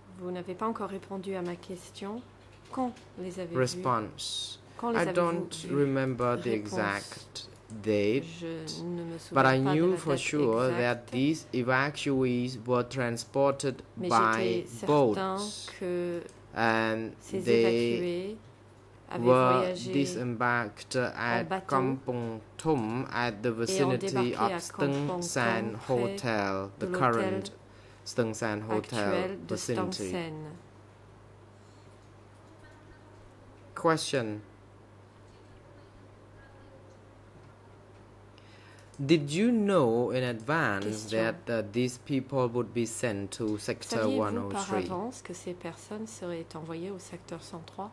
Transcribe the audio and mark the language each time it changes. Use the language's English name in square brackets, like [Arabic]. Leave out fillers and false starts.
[French] Vous n'avez pas encore répondu à ma question. Quand les avez-vous? [English] Response. I don't remember the exact date, but I knew for sure that these evacuees were transported by boats and they were disembarked at Kampong Thom at the vicinity of Steng San Hotel, the current Steng San Hotel vicinity. Question. Did you know in advance that these people would be sent to Sector 103? [French] Par avance que ces personnes seraient envoyées au secteur 103?